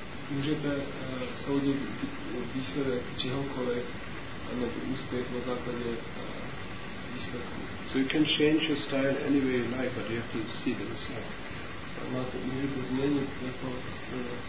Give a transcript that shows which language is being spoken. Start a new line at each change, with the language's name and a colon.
Czech: Můžete soudit výsledek čehokoliv, nebo úspěch na základě výsledku.
English: So you can change your style any way you like, but you have to see the result.
Czech: Můžete změnit jako styl.